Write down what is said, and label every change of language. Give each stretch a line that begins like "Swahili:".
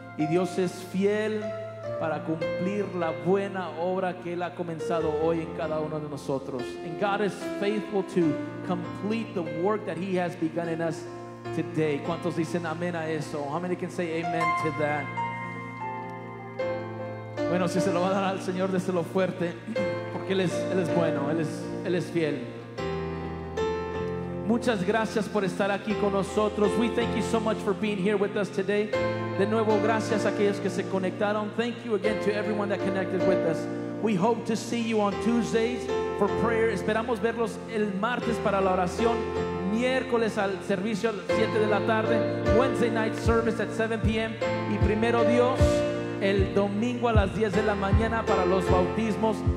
Spanish: Dios es fiel para cumplir la buena obra que Él ha comenzado hoy en cada uno de nosotros.
English: And God is faithful to complete the work that He has begun in us today.
Spanish: ¿Cuántos dicen amén a eso?
English: How many can say amen to that?
Spanish: Bueno, si se lo va a dar al Señor, déselo fuerte, porque Él es bueno, Él es fiel. Muchas gracias por estar aquí con nosotros.
English: We thank you so much for being here with us today.
Spanish: De nuevo, gracias a aquellos que se conectaron.
English: Thank you again to everyone that connected with us. We hope to see you on Tuesdays for prayer.
Spanish: Esperamos verlos el martes para la oración. Miércoles al servicio a las 7 de la tarde.
English: Wednesday night service at 7 p.m.
Spanish: Y primero Dios, el domingo a las 10 de la mañana para los bautismos.